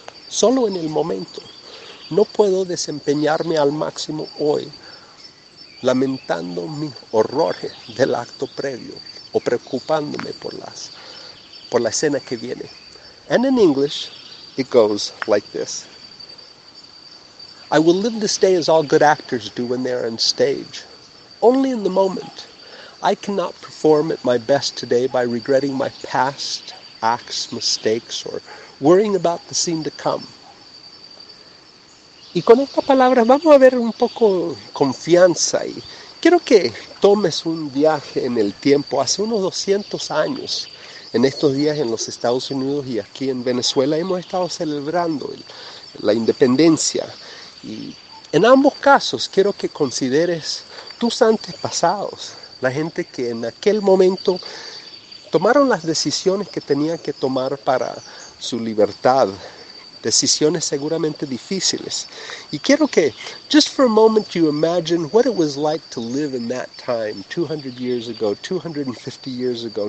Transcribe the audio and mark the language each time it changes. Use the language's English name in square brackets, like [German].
[Spanish] Solo en el momento. No puedo desempeñarme al máximo hoy, lamentando mis horrores del acto previo o preocupándome por la escena que viene. [English] And in English, it goes like this. I will live this day as all good actors do when they are on stage. Only in the moment. I cannot perform at my best today by regretting my past acts, mistakes, or worrying about the scene to come. [Spanish] Y con estas palabras vamos a ver un poco confianza. Y quiero que tomes un viaje en el tiempo. Hace unos 200 años, en estos días en los Estados Unidos y aquí en Venezuela, hemos estado celebrando la independencia. Y en ambos casos, quiero que consideres tus antepasados. La gente que en aquel momento tomaron las decisiones que tenían que tomar para su libertad. Decisiones seguramente difíciles. Y quiero que, [English] just for a moment, you imagine what it was like to live in that time, 200 years ago, 250 years ago.